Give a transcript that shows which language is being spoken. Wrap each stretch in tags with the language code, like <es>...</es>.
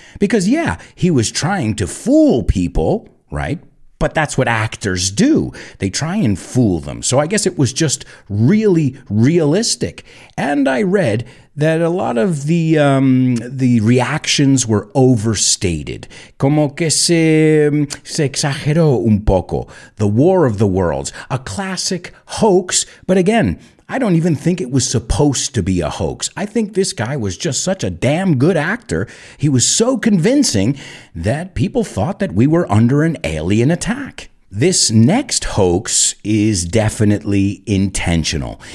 <en>Because, yeah, he was trying to fool people, right? But that's what actors do. They try and fool them. So I guess it was just really realistic. And I read that a lot of the reactions were overstated.</en> <es>Como que se exageró un poco.</es> <en>The War of the Worlds. A classic hoax. But again, I don't even think it was supposed to be a hoax. I think this guy was just such a damn good actor. He was so convincing that people thought that we were under an alien attack. This next hoax is definitely intentional.</en>